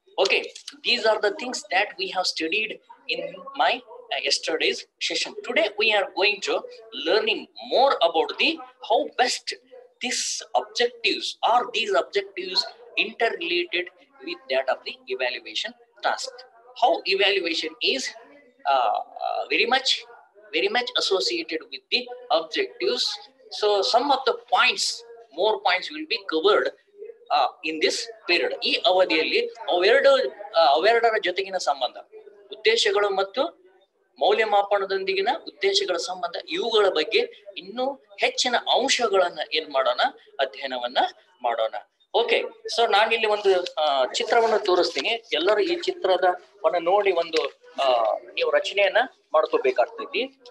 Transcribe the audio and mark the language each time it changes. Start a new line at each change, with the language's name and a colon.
English: Okay, these are the things that we have studied in my yesterday's session. Today we are going to learning more about the how best this objectives are these objectives interrelated with that of the evaluation task. How evaluation is very much associated with the objectives. So some of the points, more points will be covered in this period.
Kannada: ಈ ಅವಧಿಯಲ್ಲಿ ಅವೆರಡರ ಜೊತೆಗಿನ ಸಂಬಂಧ, ಉದ್ದೇಶಗಳು ಮತ್ತು ಮೌಲ್ಯಮಾಪನದೊಂದಿಗಿನ ಉದ್ದೇಶಗಳ ಸಂಬಂಧ, ಇವುಗಳ ಬಗ್ಗೆ ಇನ್ನೂ ಹೆಚ್ಚಿನ ಅಂಶಗಳನ್ನ ಏನ್ ಮಾಡೋಣ, ಅಧ್ಯಯನವನ್ನ ಮಾಡೋಣ. ಓಕೆ, ಸೊ ನಾನಿಲ್ಲಿ ಒಂದು ಚಿತ್ರವನ್ನು ತೋರಿಸ್ತೀನಿ. ಎಲ್ಲರೂ ಈ ಚಿತ್ರದ ವನ್ನ ನೋಡಿ ಒಂದು ನೀವು ರಚನೆಯನ್ನ ಮಾಡ್ಕೋಬೇಕಾಗ್ತೈತಿ.